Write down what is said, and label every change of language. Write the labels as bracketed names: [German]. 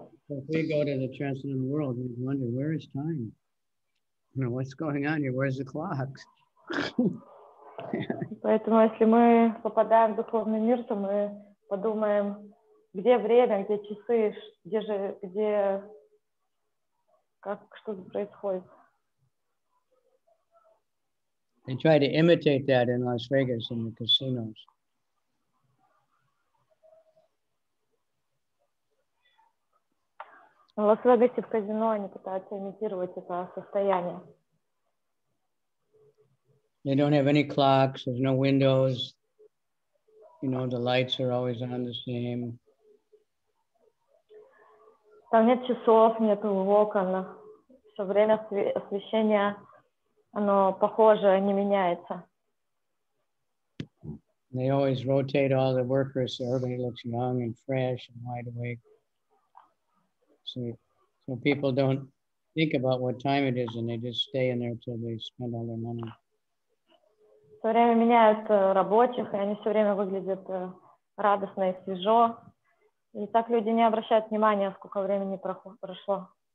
[English] If we go to the transcendental world, we wonder, where is time? You know, what's going on here? Where's the clock? [Russian] Поэтому если мы попадаем в духовный мир, то мы подумаем, где время, где часы, где же, где, как что-то происходит. [English] They try to imitate that in Las Vegas in the casinos. [Russian] В Лас-Вегасе в казино они пытаются имитировать это состояние. [English] They don't have any clocks, there's no windows. You know, the lights are always on the same. [Russian] Там нет часов, нет окон. Все время освещение, оно похоже, не меняется. [English] They always rotate all the workers so everybody looks young and fresh and wide awake. So people don't think about what time it is and they just stay in there until they spend all their money. [Russian] Все время меняют рабочих, и они все время выглядят радостно и свежо. И так люди не обращают внимания, сколько времени прошло.